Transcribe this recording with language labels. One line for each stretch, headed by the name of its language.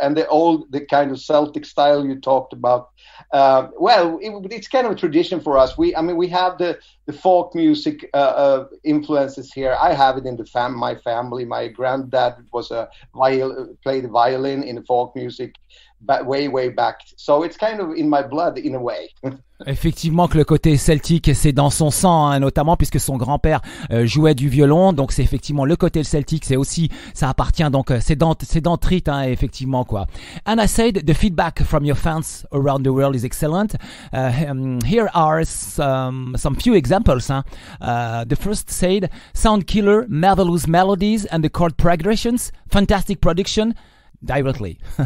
English: And the kind of Celtic style you talked about, it's kind of a tradition for us. We have the folk music influences here. I have it in my family. My granddad played the violin in folk music way, way back. So it's kind of in my blood in a way.
French: Effectivement que le côté celtique c'est dans son sang, hein, notamment puisque son grand-père jouait du violon, donc c'est effectivement le côté celtique, c'est aussi, ça appartient, donc c'est dans Treat, hein, effectivement quoi.
English: And I said the feedback from your fans around the world is excellent. Here are some few examples, hein. The first said, sound killer, marvelous melodies and the chord progressions, fantastic production, directly.